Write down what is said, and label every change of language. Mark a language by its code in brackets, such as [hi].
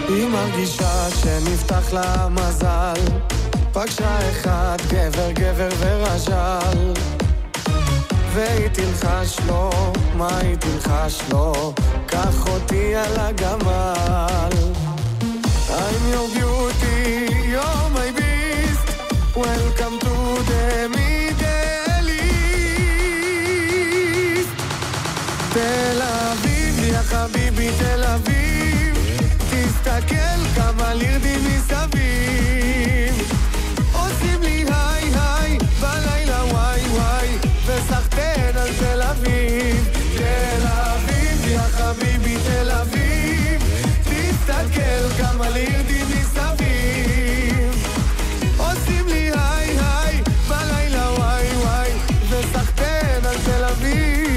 [he] מרגישה שנפתח לה מזל, פגשה אחד גבר גבר ורז'ל, והיא תלחש לו, מה היא תלחש לו, קח אותי על הגמל. [en] I'm your beauty, you're my beast, welcome to the middle-east. [he] תל אביב, יא חביבי תל אביב, תסתכל כמה לירדי מסביב, עושים לי היי היי בלילה וואי וואי, וסחתן על תל אביב. תל אביב, יא חביבי תל אביב, תסתכל כמה לירדים מסביב, עושים לי היי היי בלילה וואי וואי, וסחתן על תל אביב.